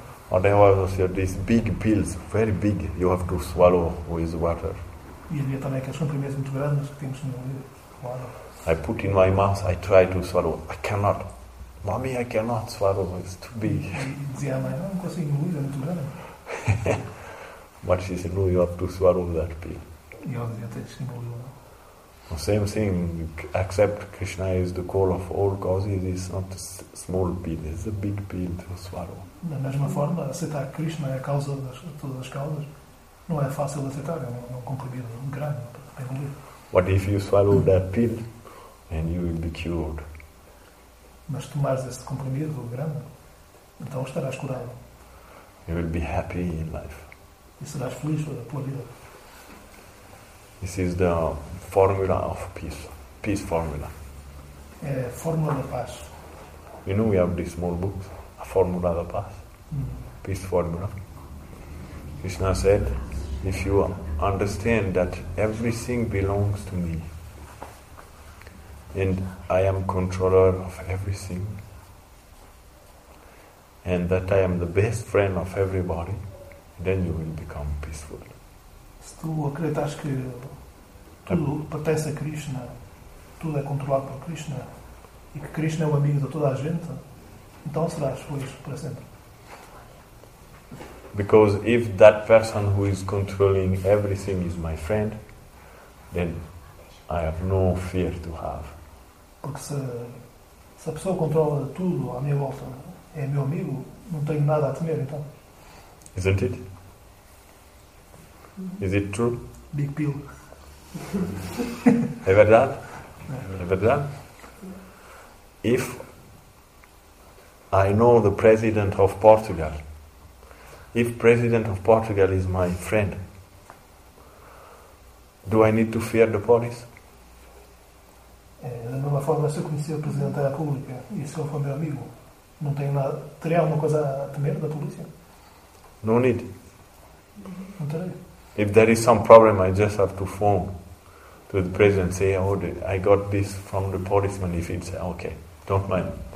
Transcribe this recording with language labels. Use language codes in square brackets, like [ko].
[en] Or there was also these big pills, very big, you have to swallow with water. [pt] E havia também aqueles comprimidos muito grandes que tínhamos no ouvido. [en] I put in my mouth, I try to swallow. I cannot. Mommy, I cannot swallow, it's too big. [pt] E dizia a mãe, não consigo engolir, é muito grande. [en] But she said, no, you have to swallow that pill. [pt] E eu dizia, tens que engolir. [en] The same thing, accept Krishna is the goal of all causes, is not a small pill, it's a big pill to swallow. [pt] Da mesma forma, aceitar Krishna é a causa de todas as causas, não é fácil aceitar, é um comprimido grande para engolir. [en] What if you swallow that pill and you will be cured? [pt] Mas tomares este comprimido grande, então estarás curado. [en] You will be happy in life. [pt] E serás feliz pela tua vida. [en] This is the formula of peace. Peace formula. [pt] É a fórmula da paz. [en] You know we have these small books, [pt] a formula da paz. [en] Mm-hmm. Peace formula. Krishna said, if you understand that everything belongs to me and I am controller of everything and that I am the best friend of everybody, then you will become peaceful. [pt] Se tu acreditas que tudo pertence a Krishna, tudo é controlado por Krishna e que Krishna é o amigo de toda a gente, então serás feliz para sempre. [en] Because if that person who is controlling everything is my friend, then I have no fear to have. [pt] Porque se a pessoa controla tudo à minha volta é meu amigo, não tenho nada a temer, então. [en] Isn't it? Is it true? Big pill. [pt] É verdade? É verdade? [en] If I know the president of Portugal, if president of Portugal is my friend, do I need to fear the police? [pt] É, da mesma forma, se eu conhecer o presidente da República e se ele for meu amigo, não tenho nada, teria alguma coisa a temer da polícia? [en] No need. [pt] Não terei. [en] If there is some problem, I just have to phone to the president and say, oh, I got this from the policeman. If it's okay, don't mind.